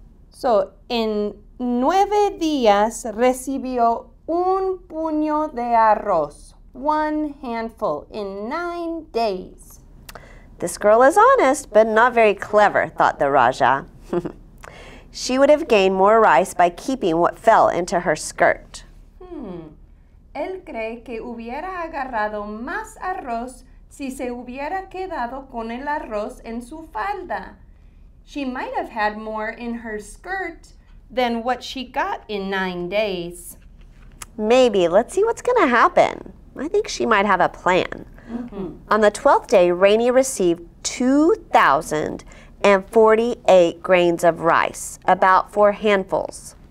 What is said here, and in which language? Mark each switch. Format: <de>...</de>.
<en>So, in 9</en> <es>días, recibió un puño de arroz,</es> <en>one handful, in 9 days. This girl is honest, but not very clever, thought the Raja. She would have gained more rice by keeping what fell into her skirt.</en> <es>Él cree que hubiera agarrado más arroz si se hubiera quedado con el arroz en su falda.</es> <en>She might have had more in her skirt than what she got in 9 days. Maybe. Let's see what's going to happen. I think she might have a plan. Mm-hmm. On the 12th day, Rainy received 2,048 grains of rice, about 4 handfuls.</en>